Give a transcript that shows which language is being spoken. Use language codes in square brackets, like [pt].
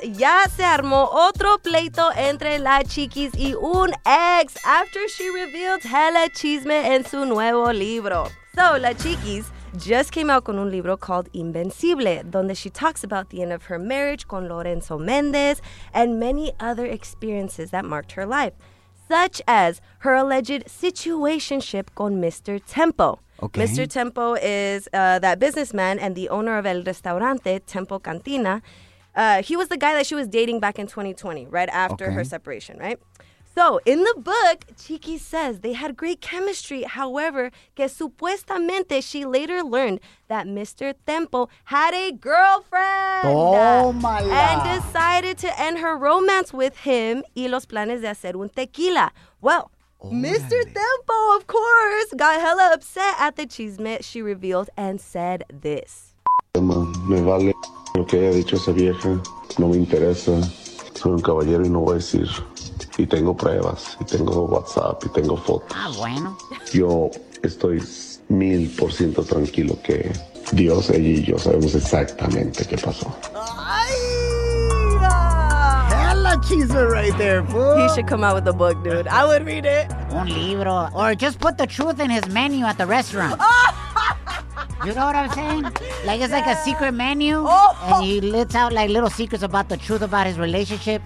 [es] Ya se armó otro pleito entre la chiquis y un ex [en] after she revealed hella [es] chisme en su nuevo libro. [en] So, la chiquis just came out [es] con un libro [en] called Invencible, [es] donde [en] she talks about the end of her marriage con Lorenzo Mendez and many other experiences that marked her life, such as her alleged situationship con Mr. Tempo. Okay. Mr. Tempo is that businessman and the owner of El Restaurante, Tempo Cantina. He was the guy that she was dating back in 2020, right after her separation, right? So, in the book, Chiqui says they had great chemistry. However, [es] que supuestamente [en] she later learned that Mr. Tempo had a girlfriend. [es] Tómala. [en] And decided to end her romance with him [es] y los planes de hacer un tequila. [en] Well, Mr. Tempo, of course, got hella upset at the chisme she revealed and said this. [es] Me vale lo que haya dicho esa vieja. No me interesa. Soy un caballero y no voy a decir. Y tengo pruebas. Y tengo WhatsApp. Y tengo fotos. Ah, bueno. Yo estoy 1000% tranquilo que Dios, ella y yo sabemos exactamente qué pasó. [en] ¡Ay! Chisme right there, fool. He should come out with a book, dude. I would read it. [es] Un libro. [en] Or just put the truth in his menu at the restaurant. You know what I'm saying? Like, it's like a secret menu. Oh. And he lets out, like, little secrets about the truth about his relationship.